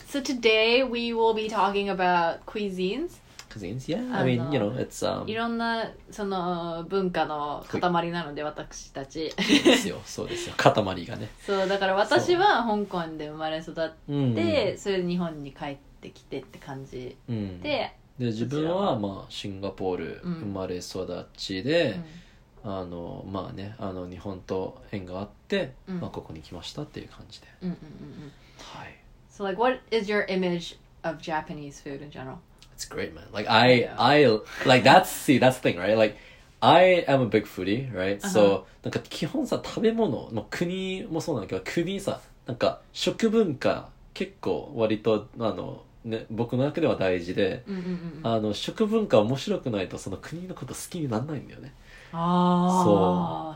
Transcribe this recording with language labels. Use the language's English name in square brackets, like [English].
[English] So today we will be talking about cuisines. Cuisines, yeah. I mean, you know, it's... [Japanese] いろんなその文化の塊なので、私たち。そうですよ。塊がね。そう、だから私は香港で生まれ育って、それで日本に帰ってきてって感じで、で自分は、まあ、シンガポール生まれ育ちで、あのまあね、あの日本と縁があって、まあ、ここに来ましたっていう感じで、はい。 [English] So like, what is your image of Japanese food in general? It's great, man. Like I, yeah. I like that's see that's the thing, right? Like I am a big foodie, right? [Japanese] So なんか基本さ食べ物の国もそうなんだけど、国さなんか食文化結構割とあのね、僕の中では大事で、あの食文化面白くないとその国のこと好きにならないんだよね。ああ、